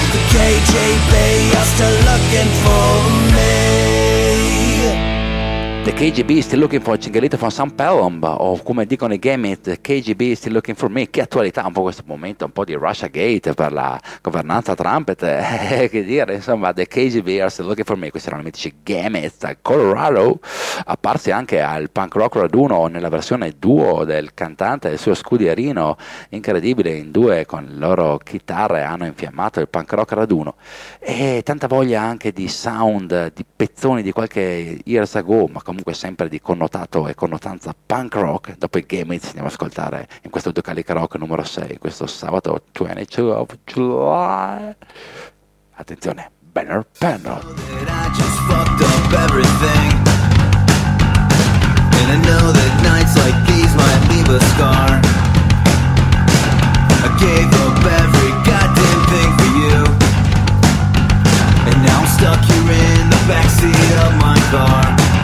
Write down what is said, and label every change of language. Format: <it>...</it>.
<en>The KJB are still looking for me. The KGB is still looking for Cinghialito from San Pelomb,</en> <it>o come dicono i Gamit,</it> <en>the KGB is still looking for me.</en> <it>Che attualità, un po' questo momento, un po' di Russia Gate per la governanza Trump, che dire, insomma,</it> <en>the KGB are still looking for me.</en> <it>Questi erano i mitici Gamit, Colorado, apparsi anche al Punk Rock Raduno nella versione duo del cantante e il suo scudierino, incredibile, in due con le loro chitarre hanno infiammato il Punk Rock Raduno. E tanta voglia anche di sound, di pezzoni di qualche</it> <en>years ago,</en> <it>comunque sempre di connotato e connotanza punk rock. Dopo i Gamit andiamo ad ascoltare in questo Ducalic Rock numero 6 questo sabato 22</it> <en>of July.</en> <it>Attenzione, Banner Penrod.</it> <en>I just fucked up everything, and I know that nights like these might leave a scar. I gave up every goddamn thing for you, and now I'm stuck here in the backseat of my car.</en>